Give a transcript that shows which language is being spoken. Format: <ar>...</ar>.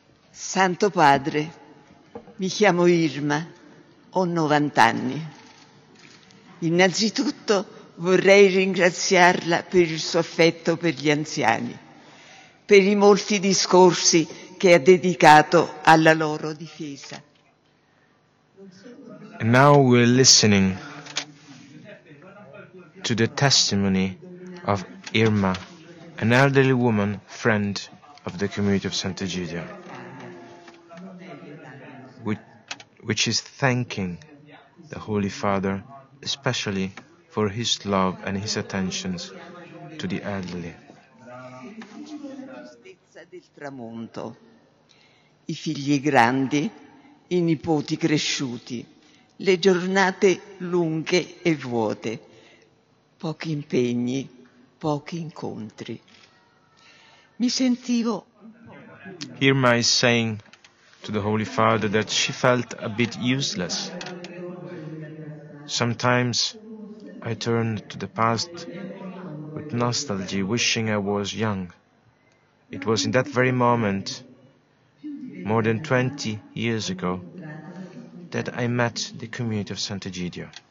<it>Santo Padre, mi chiamo Irma, ho 90 anni. Innanzitutto vorrei ringraziarla per il suo affetto per gli anziani, per i molti discorsi che ha dedicato alla loro difesa.</it> <en>And now we're listening to the testimony of Irma, an elderly woman friend of the Community of Sant'Egidio, which is thanking the Holy Father, especially for his love and his attentions to the elderly.</en> <it>Giustizia del tramonto. I figli grandi, i nipoti cresciuti, le giornate lunghe e vuote, pochi impegni, pochi incontri. Mi sentivo...</it> <en>Irma is saying to the Holy Father that she felt a bit useless. Sometimes I turned to the past with nostalgia, wishing I was young. It was in that very moment, more than 20 years ago, that I met the Community of Sant'Egidio.</en>